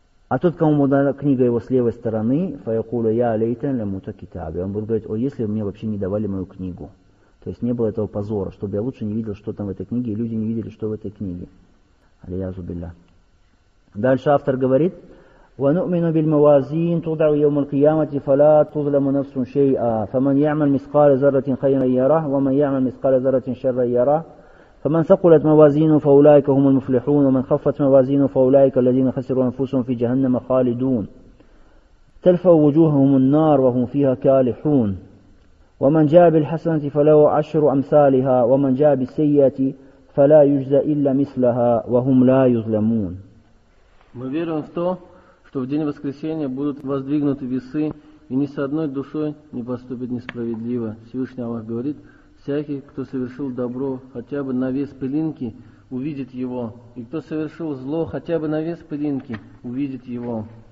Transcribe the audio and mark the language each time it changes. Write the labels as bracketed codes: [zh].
[ru] А тот, кому дана книга его с левой стороны, [ar] фаякуля я алейтен ля мута китаби, [ru] он будет говорить: о, если бы мне вообще не давали мою книгу, то есть не было этого позора, чтобы я лучше не видел, что там в этой книге, и люди не видели, что в этой книге. Алия зубилля. Дальше автор говорит: [ar] ونؤمن بالموازين توضع يوم القيامة فلا تظلم نفس شيئا فمن يعمل مثقال ذرة خيرا يره ومن يعمل مثقال ذرة شرا يره فمن ثقلت موازينه فأولئك هم المفلحون ومن خفت موازينه فأولئك الذين خسروا أنفسهم في جهنم خالدون تلفى وجوههم النار وهم فيها كالحون ومن جاء بالحسنة فله عشر أمثالها ومن جاء بالسيئة فلا يجزى إلا مثلها وهم لا يظلمون. [ru] Что в день воскресения будут воздвигнуты весы, и ни с одной душой не поступит несправедливо. Всевышний Аллах говорит, всякий, кто совершил добро хотя бы на вес пылинки, увидит его, и кто совершил зло хотя бы на вес пылинки, увидит его.